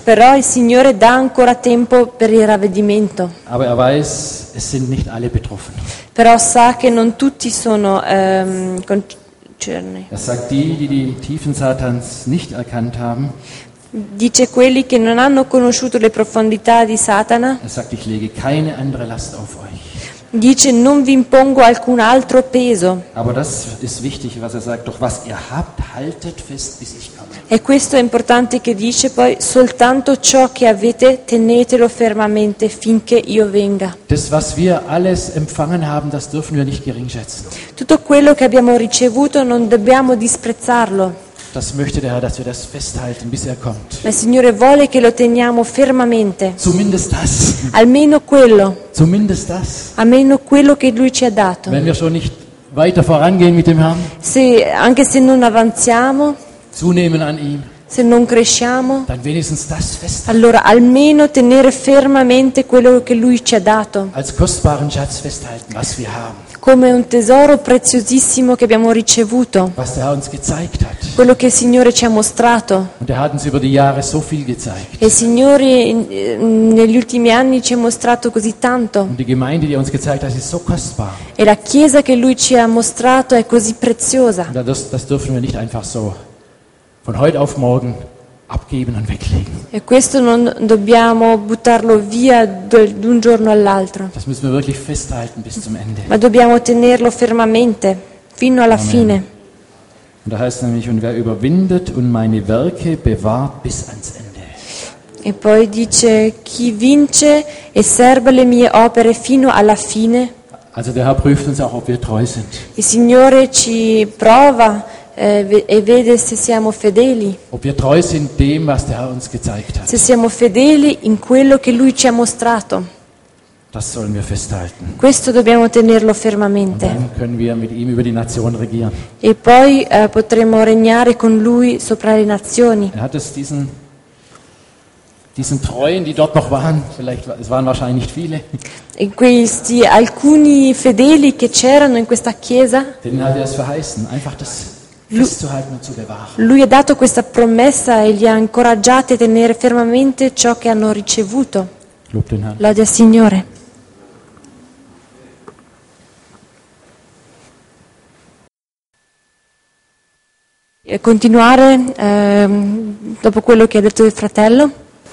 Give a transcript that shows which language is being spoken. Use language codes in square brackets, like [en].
[it] Però il Signore dà ancora tempo per il ravvedimento. [de] Aber er weiß, es sind nicht alle betroffen. [it] Però sa che non tutti sono concerni. [de] Er sagt die, die die Tiefen Satans nicht erkannt haben. [it] Dice quelli che non hanno conosciuto le profondità di Satana. [de] Er sagt, ich lege keine andere Last auf euch. [it] Dice, non vi impongo alcun altro peso. [de] Aber das ist wichtig, was er sagt. Doch was ihr habt, haltet fest, bis ich komme. [it] E questo è importante che dice poi, soltanto ciò che avete, tenetelo fermamente finché io venga. [de] Das, was wir alles empfangen haben, das dürfen wir nicht geringschätzen. [it] Tutto quello che abbiamo ricevuto non dobbiamo disprezzarlo. [de] Das möchte der Herr, dass wir das festhalten, bis er kommt. [it] Ma il Signore vuole che lo teniamo fermamente. [de] Zumindest das. [it] Almeno quello. [de] Zumindest das. [it] Almeno quello che lui ci ha dato. [de] Wenn wir schon nicht weiter vorangehen mit dem Herrn. [it] Se, anche se non avanziamo. [de] Zunehmen an ihm. [it] Se non cresciamo. [de] Dann wenigstens das fest. [it] Allora almeno tenere fermamente quello che lui ci ha dato. [de] Als kostbaren Schatz festhalten, was wir haben. [it] Come un tesoro preziosissimo che abbiamo ricevuto. [de] Was der Herr uns gezeigt hat. [it] Quello che il Signore ci ha mostrato. [de] Und er hat uns über die Jahre so viel gezeigt. [it] E il Signore negli ultimi anni ci ha mostrato così tanto. [de] Und die Gemeinde, die er uns gezeigt hat, ist so kostbar. [it] E la Chiesa che Lui ci ha mostrato è così preziosa. [de] Und das dürfen wir nicht einfach so von heute auf morgen abgeben und weglegen. [it] E questo non dobbiamo buttarlo via d'un giorno all'altro. [de] Das müssen wir wirklich festhalten bis zum Ende. [it] Ma dobbiamo tenerlo fermamente fino alla Amen. Fine. [de] Und da heißt nämlich, und wer überwindet und meine Werke bewahrt bis ans Ende. [it] E poi dice, chi vince e serba le mie opere fino alla fine. [de] Also der Herr prüft uns auch, ob wir treu sind. [it] Il Signore ci prova e vede se siamo fedeli. [de] Ob wir treu sind dem, was der Herr uns gezeigt hat. [it] Se siamo fedeli in quello che lui ci ha mostrato. [de] Das sollen wir festhalten. [it] Questo dobbiamo tenerlo fermamente. [de] Und dann können wir mit ihm über die Nation regieren. [it] E poi potremo regnare con lui sopra le nazioni. [de] Er hat es diesen Treuen, die dort noch waren, vielleicht es waren wahrscheinlich nicht viele. [it] E questi alcuni fedeli che c'erano in questa chiesa. [de] Denen hat er es verheißen, einfach das festzuhalten und zu bewahren. [it] Lui ha dato questa promessa e li ha incoraggiati a tenere fermamente ciò che hanno ricevuto. [de] Lob den Herrn. [it] Lode al Signore. E continuare dopo quello che ha detto il fratello.